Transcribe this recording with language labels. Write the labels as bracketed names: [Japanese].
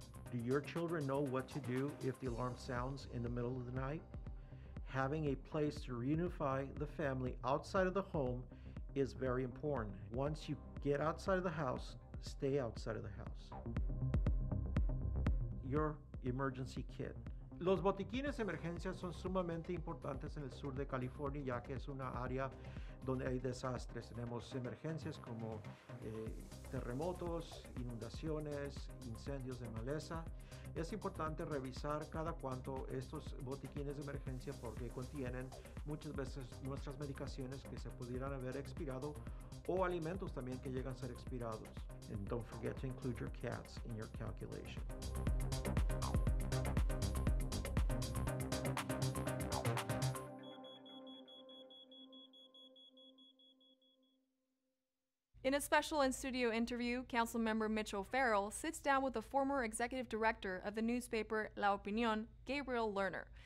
[English] Do your children know what to do if the alarm sounds in the middle of the night? Having a place to reunify the family outside of the home is very important. Once you get outside of the house, stay outside of the house. Your emergency kit. [Spanish] Los botiquines de emergencia son sumamente importantes en el sur de California, ya que es una área donde hay desastres. Tenemos emergencias como terremotos, inundaciones, incendios de maleza. Es importante revisar cada cuánto estos botiquines de emergencia porque contienen muchas veces nuestras medicaciones que se pudieran haber expirado o alimentos también que llegan a ser expirados. [English] And don't forget to include your cats in your calculation. In a special in-studio interview, Councilmember Mitchell Farrell sits down with the former executive director of the newspaper La Opinión, Gabriel Lerner.